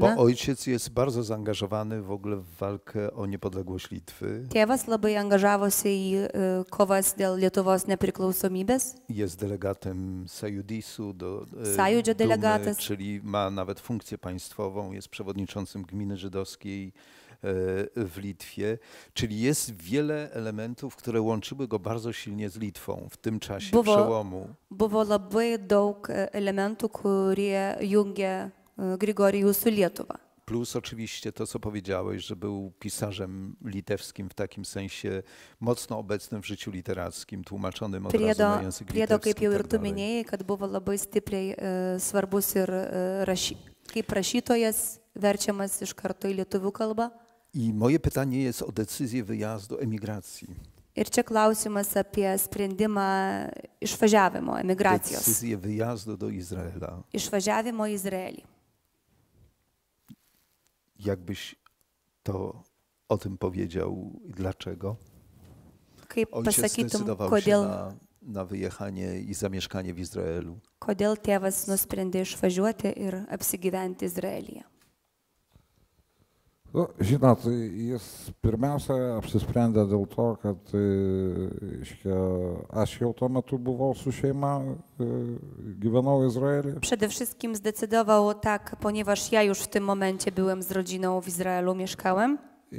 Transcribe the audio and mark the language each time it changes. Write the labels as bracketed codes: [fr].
[pl] Bo ojciec jest bardzo zaangażowany w ogóle w walkę o niepodległość Litwy. [lt] Tėvas labai angažavosi į kovas dėl Lietuvos nepriklausomybės. [pl] Jest delegatem Sajudisu do [lt] Sajudžio delegatas. [pl] Czyli ma nawet funkcję państwową, jest przewodniczącym gminy żydowskiej w Litwie, czyli jest wiele elementów, które łączyły go bardzo silnie z Litwą w tym czasie [lt] buvo, [pl] przełomu. [lt] Buvo labai daug elementų, kurie jungė Grigorijų su Lietuva. [pl] Plus oczywiście to, co powiedziałeś, że był pisarzem litewskim w takim sensie mocno obecnym w życiu literackim, tłumaczonym od [lt] priedo, [pl] razu na język litewski. [lt] Priedo, kaip jau ir tu minėjai, kad buvo labai stipriai svarbus ir kaip rašytojas verčiamas iš karto į lietuvių kalbą. [pl] I moje pytanie jest o decyzję wyjazdu, emigracji. [lt] Ir čia klausimas apie sprendimą išvažiavimo, emigracijos. [pl] Decyzję wyjazdu do Izraela. [lt] Išvažiavimo į Izraelį. [pl] Jakbyś to o tym powiedział i dlaczego? [lt] Kaip pasakytum, kodėl... [pl] Ojciec zdecydował się na wyjechanie i zamieszkanie w Izraelu. [lt] Kodėl tėvas nusprendė išvažiuoti ir apsigyventi Izraelyje? No, žinot, jis pirmiausia apsisprendė dėl to, kad iškia, aš jau tuo metu buvau su šeima, gyvenau Izraelį. [pl] Przede wszystkim zdecydował tak, ponieważ ja już w tym momencie byłem z rodziną w Izraelu, mieszkałem.